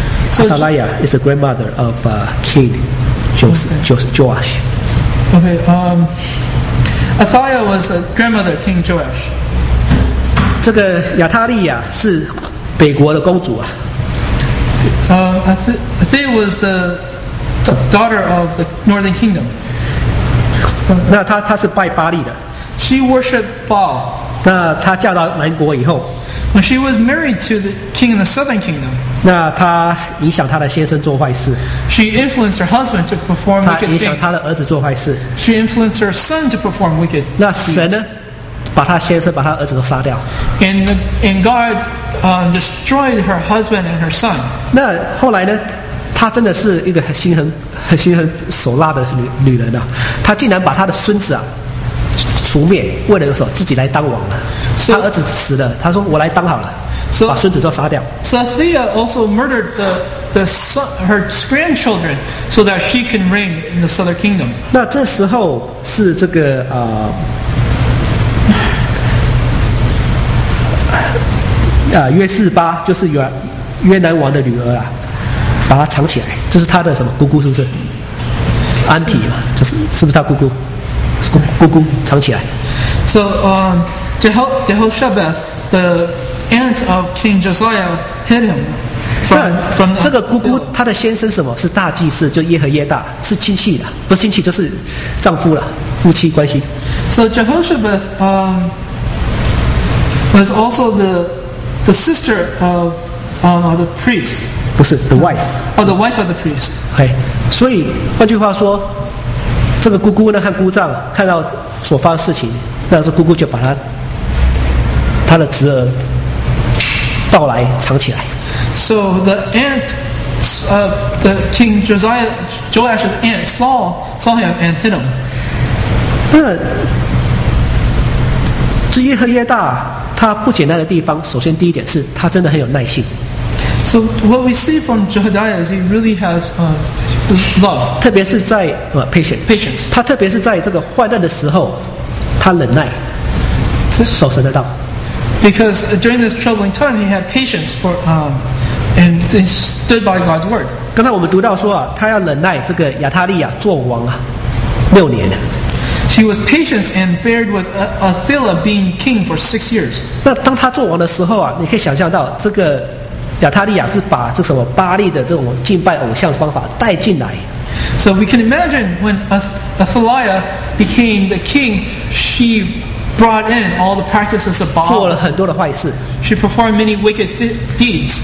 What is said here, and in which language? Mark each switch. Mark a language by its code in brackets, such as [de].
[en] Athaliah is the grandmother of King Joash. Okay. Athaliah was the grandmother of King Joash. [zh] 这个亚他利亚是北国的公主啊。 [en] Athaliah was the daughter of the Northern Kingdom. [zh] 那她是拜巴利的。 [en] She worshipped Baal. [zh] 那她嫁到南国以后。 [en] When she was married to the king in the Southern Kingdom. [zh] 那她影响她的先生做坏事。 [en] She influenced her husband to perform wicked things. [zh] 她影响她的儿子做坏事。 [en] She influenced her son to perform wicked things. [zh] 那神呢？把她先生、把她儿子都杀掉。 [en] And God destroyed her husband and her son. [zh] 那后来呢？她真的是一个很心狠手辣的女人啊！她竟然把她的孙子啊除灭，为了什么？自己来当王了。她儿子死了，她说我来当好了， [en] so, [zh] 把孙子都杀掉。 [en] So Athaliah also murdered the son, her grandchildren so that she can reign in the southern kingdom. [zh] 那这时候是这个约示巴就是约南王的女儿啊，把她藏起来，就是她的什么姑姑是不是？安提嘛，就是不是她姑姑？姑姑藏起来。 [en] So Jehoshabeth, the aunt of King Josiah, hid him. [zh] 那这个姑姑她的先生什么是大祭司？就耶和耶大是亲戚的，不是亲戚就是丈夫了，夫妻关系。 [en] So Jehoshabeth was also the sister of the priest. [zh] 不是 [en] the wife. Oh, the wife of the priest. Okay. [zh] 所以换句话说，这个姑姑呢和姑丈看到所发的事情，那是姑姑就把她的侄儿盗来藏起来。 [en] So the aunt of the king Josiah, Joash's aunt saw him and hit him. [zh] 那这耶和耶大他不简单的地方，首先第一点是他真的很有耐性。 [en] So what we see from Jehoiada is he really has love. [zh] 特别是在patience. [en] Patience. [zh] 他特别是在这个患难的时候，他忍耐，守神的道。 [en] Because during this troubling time, he had patience for and he stood by God's word. [zh] 刚才我们读到说啊，他要忍耐这个亚他利亚做王啊，六年。 [en] He was patient and bared with Athaliah being king for 6 years. [zh] 那当他做王的时候啊，你可以想象到这个亚他利亚是把这什么巴利的这种敬拜偶像方法带进来。 [en] So we can imagine when Athaliah became the king, she brought in all the practices of Baal. [zh] 做了很多的坏事。 [en] She performed many wicked deeds.